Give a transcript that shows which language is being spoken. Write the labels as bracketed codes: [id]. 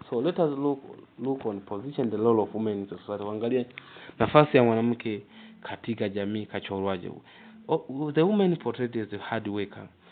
[en] So let us look on position the role of women in society. [sw] Tuangalie nafasi ya mwanamke katika jamii kachorwaje. [en] The woman portrayed as a hard worker.